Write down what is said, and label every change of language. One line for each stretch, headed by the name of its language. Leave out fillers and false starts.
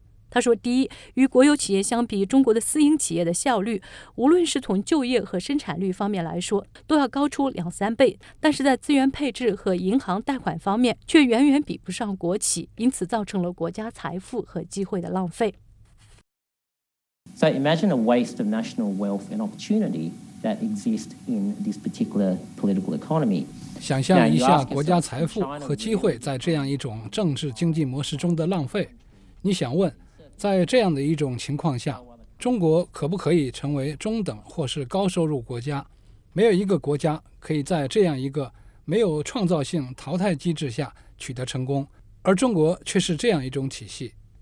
Chinese: 他说，第一，与国有企业相比，中国的私营企业的效率，无论是从就业和生产率方面来说，都要高出2-3倍，但是在资源配置和银行贷款方面却远远比不上国企，因此造成了国家财富和机会的浪费。
English: So imagine a waste of national wealth and opportunity that exist in this particular political economy.
Chinese: 想象一下国家财富和机会在这样一种政治经济模式中的浪费。你想问，在这样的一种情况下，中国可不可以成为中等或是高收入国家？没有一个国家可以在这样一个没有创造性淘汰机制下取得成功，而中国却是这样一种体系。